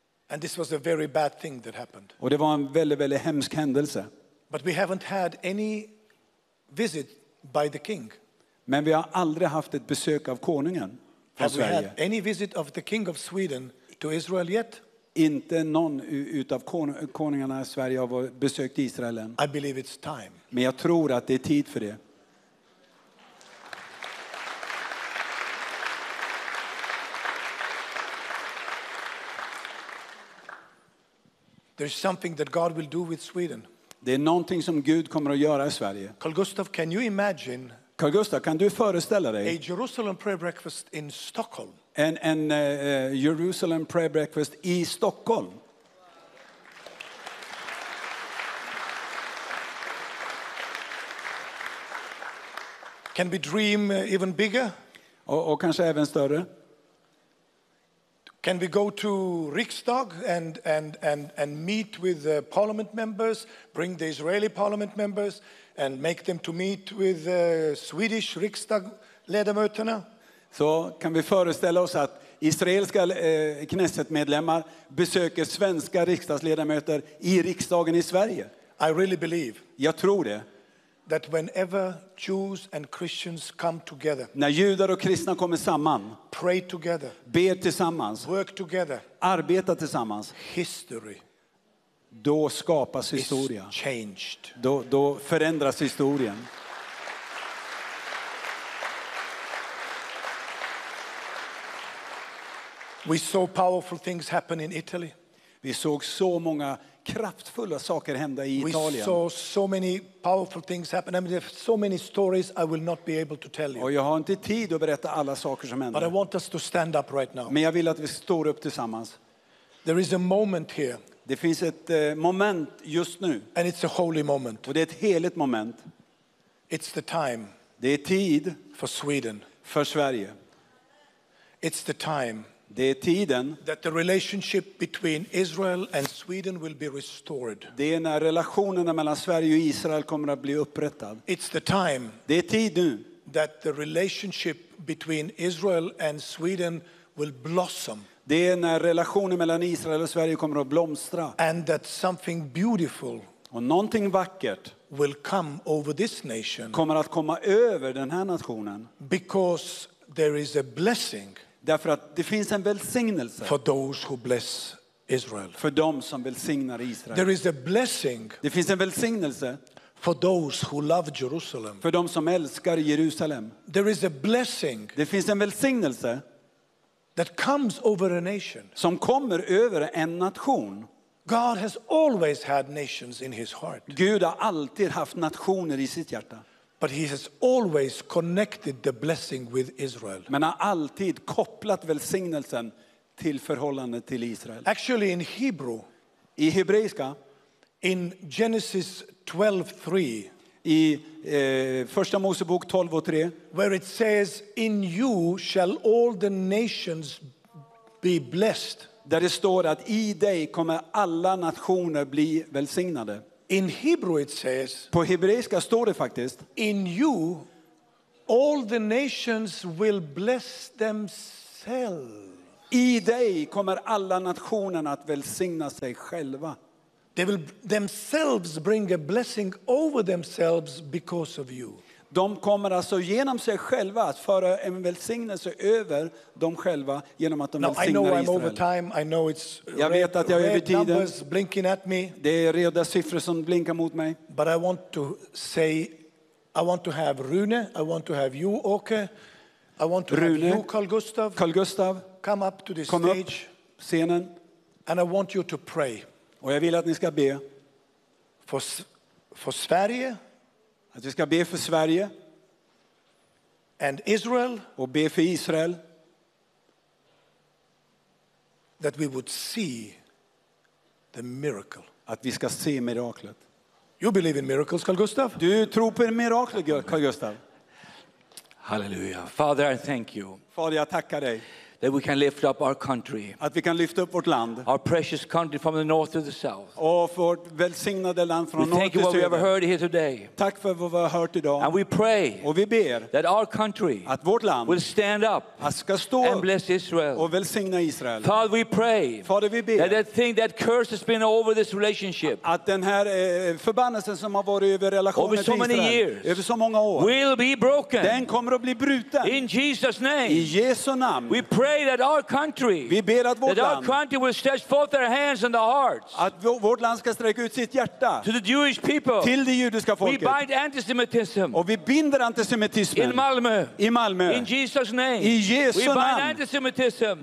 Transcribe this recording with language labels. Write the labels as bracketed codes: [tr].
[en] And this was a very bad thing that happened. [sv] Och det var en väldigt, väldigt hemsk händelse. [en] But we haven't had any visit by the king. [sv] Men vi har aldrig haft ett besök av konungen. [en] Have we had any visit of the king of Sweden to Israel yet? [sv] Inte någon utav konungarna i Sverige har besökt Israel än. [en] I believe it's time. [sv] Men jag tror att det är tid för det. [en] There's something that God will do with Sweden. [sv] Det är någonting som Gud kommer att göra i Sverige. [en] Carl Gustav, can you imagine? [sv] Carl Gustav, kan du föreställa dig [en] a Jerusalem prayer breakfast in Stockholm? [sv] and Jerusalem prayer breakfast i Stockholm. [en] Can we dream even bigger? [sv] Och kanske även större. [en] Can we go to Riksdag and meet with the parliament members, bring the Israeli parliament members and make them to meet with the Swedish Riksdag ledamöterna? [sv] Så kan vi föreställa oss att israeliska knessetmedlemmar besöker svenska riksdagsledamöter i riksdagen i Sverige? [en] I really believe. [sv] Jag tror det. [en] That whenever Jews and Christians come together, [sv] när judar och kristna kommer samman, [en] pray together, [sv] ber tillsammans, [en] work together, [sv] arbetar tillsammans, [en] history, [sv] då skapas historia, [en] is changed, [sv] då förändras historien. [en] We saw powerful things happen in Italy. [sv] Vi såg så många kraftfulla saker hända i Italien. [en] We saw so many powerful things happen. I mean, there are so many stories I will not be able to tell you. [sv] Och jag har inte tid att berätta alla saker som hände. [en] But I want us to stand up right now. [sv] Men jag vill att vi står upp tillsammans. [en] There is a moment here. [sv] Det finns ett moment just nu. [en] And it's a holy moment. [sv] Och det är ett heligt moment. [en] It's the time. [sv] Det är tid [en] för Sweden. [sv] För Sverige. [en] It's the time. [sv] Det är tiden [en] that the relationship between Israel and Sweden will be restored. [sv] Det är när relationerna mellan Sverige och Israel kommer att bli upprättad. [en] It's the time. [sv] Det är tid nu [en] that the relationship between Israel and Sweden will blossom. [sv] Det är när relationen mellan Israel och Sverige kommer att blomstra. [en] And that something beautiful, [sv] och någonting vackert, [en] will come over this nation. [sv] Kommer att komma över den här nationen. [en] Because there is a blessing. [sv] Därför att det finns en välsignelse [en] for those who bless Israel. [sv] För dem som välsignar Israel. [en] There is a blessing. [sv] Det finns en välsignelse [en] for those who love Jerusalem. [sv] För dem som älskar Jerusalem. [en] There is a blessing. [sv] Det finns en välsignelse [en] that comes over a nation. [sv] Som kommer över en nation. [en] God has always had nations in his heart. [sv] Gud har alltid haft nationer i sitt hjärta. [en] But he has always connected the blessing with Israel. [sv] Men har alltid kopplat välsignelsen till förhållandet till Israel. [en] Actually in Hebrew, [sv] i hebreiska, [en] in Genesis 12:3, [sv] i första Mosebok 12:3, [en] where it says in you shall all the nations be blessed. [sv] Där det står att i dig kommer alla nationer bli välsignade. [en] In Hebrew it says, [sv] på hebreiska står det faktiskt, [en] in you all the nations will bless themselves. [sv] I dig kommer alla nationerna att välsigna sig själva. [en] They will themselves bring a blessing over themselves because of you. [sv] De kommer alltså genom sig själva att föra en välsignelse över dem själva genom att de välsignar Israel. [en] I know I'm over time. I know it's [sv] jag vet att jag är över tiden. [en] Numbers blinking at me. [sv] Det är röda siffror som blinkar mot mig. [en] But I want to say, I want to have Rune, I want to have you, Åke, I want to [sv] Rune, [en] have you, Carl Gustav, come up to this stage. [sv] Kom upp scenen. [en] And I want you to pray. [sv] Och jag vill att ni ska be för Sverige. Att vi ska be för Sverige [en] and Israel, [sv] och be för Israel, [en] that we would see the miracle. [sv] Att vi ska se miraklet. [en] You believe in miracles, Carl Gustav? [sv] Du tror på mirakel, Carl Gustav? [en] Halleluja. Father, I thank you. [sv] Fader, jag tackar dig. [en] That we can lift up our country. [sv] Att vi kan lyfta upp vårt land. [en] Our precious country from the north to the south. [sv] Och vårt välsignade land från norr till söder. [en] Thank you for what we have heard here today. [sv] Tack för vad vi har hört idag. [en] And we pray. [sv] Och vi ber. [en] That our country. [sv] Att vårt land. [en] Will stand up. [sv] Att ska stå. [en] And bless Israel. [sv] Och välsigna Israel. [en] Father, we pray. [sv] Fader, vi ber. [en] That thing that curse has been over this relationship. [sv] Att den här förbannelsen som har varit över relationen till Israel. [en] Over so many years. [sv] Över så många år. [en] Will be broken. [sv] Den kommer att bli bruten. [en] In Jesus' name. [sv] I Jesu namn. [en] We pray. That our country, [sv] vi ber att [en] that our country will stretch forth their hands and their hearts. [sv] Att vårt land ska sträcka ut sitt hjärta. [en] To the Jewish people. [sv] Till det judiska folket. [en] We bind antisemitism. [sv] Och vi binder antisemitismen. [en] In Malmö. [sv] I Malmö. [en] In Jesus' name. [sv] I Jesu namn. [en] We bind antisemitism.